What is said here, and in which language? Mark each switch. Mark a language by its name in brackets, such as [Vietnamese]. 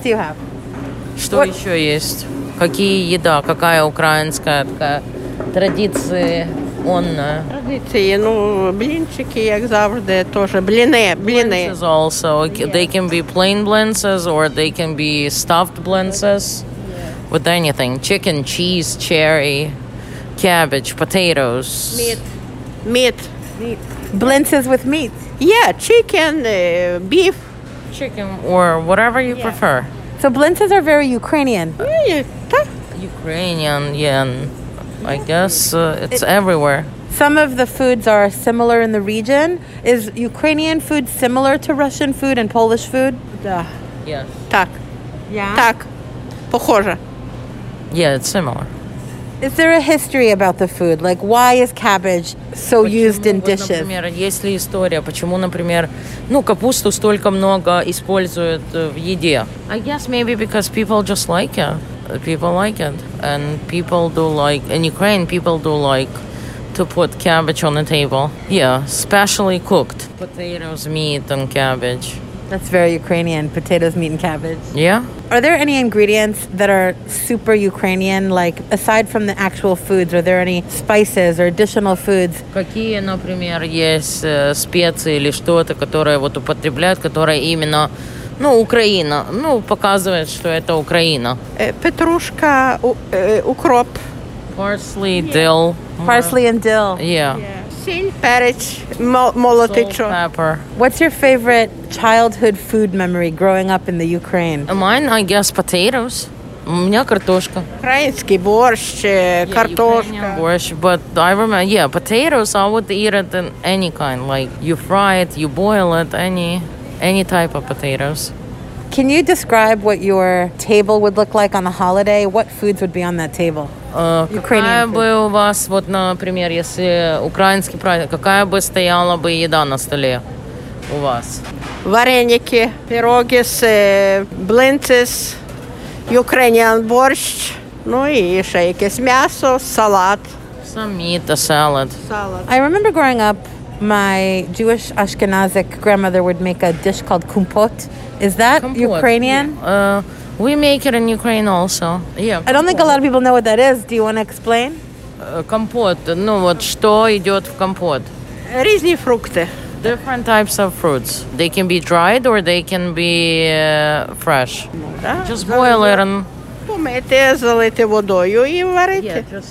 [English] do you have? [Russian] Что ещё есть? Какая еда? Какая украинская традиция? традиционно. Традиции, ну, блинчики, как завжди, тоже, блины. [English] Blintzes also, yeah. They can be plain blintzes or they can be stuffed blintzes. Yeah. With anything, chicken, cheese, cherry, cabbage, potatoes. Meat. Blintzes with meat. Yeah, chicken, beef. Chicken or whatever you prefer. So blintzes are very Ukrainian. Ukrainian, yeah. I guess it's everywhere. Some of the foods are similar in the region. Is Ukrainian food similar to Russian food and Polish food? Yes. [Ukrainian] Tak. [English] Yeah. [Russian] Tak. Похоже. [English] Yeah, it's similar. Is there a history about the food? Like, why is cabbage so used in dishes? [Russian] Например, есть ли история, почему, например, ну, капусту столько много используют в еде? [English] I guess maybe because people just like it. People like it, and people do like, in Ukraine, people do like to put cabbage on the table. Yeah, specially cooked. Potatoes, meat, and cabbage. That's very Ukrainian, potatoes, meat, and cabbage. Yeah. Are there any ingredients that are super Ukrainian, like, aside from the actual foods, are there any spices or additional foods? [Russian] Какие, например, есть специи или что-то, которые вот употребляют, которые именно... Ну, Украина. Ну, показывает, что это Украина. Петрушка, укроп. [English] Parsley, yeah. Dill. Parsley and dill. Yeah. [Russian] Сель, перец, молотый чёрт. [English] Salt, pepper. What's your favorite childhood food memory growing up in the Ukraine? Mine, I guess, potatoes. [Russian] У меня картошка. Украинский борщ, картошка. [English] Yeah, Ukrainian borscht, but I remember, yeah, potatoes, I would eat it in any kind. Like, you fry it, you boil it, any type of potatoes. Can you describe what your table would look like on the holiday? What foods would be on that table? Ukrainian food. [Russian] Какая бы у вас, вот, например, если украинский праздник, какая бы стояла бы еда на столе у вас? Вареники, пироги с блинцем, Ukrainian борщ, ну и еще какие-то мясо, салат. [English] Some meat, a salad. I remember growing up, my Jewish Ashkenazic grandmother would make a dish called kumpot. Is that kumpot, Ukrainian? Yeah. We make it in Ukraine also. Yeah. Kumpot. I don't think a lot of people know what that is. Do you want to explain? [Russian] Kompot. Ну вот что идет в компот? Разные фрукты. [English] Different types of fruits. They can be dried or they can be fresh. Just boil it and. [Ukrainian] Помити, залити водою і варити.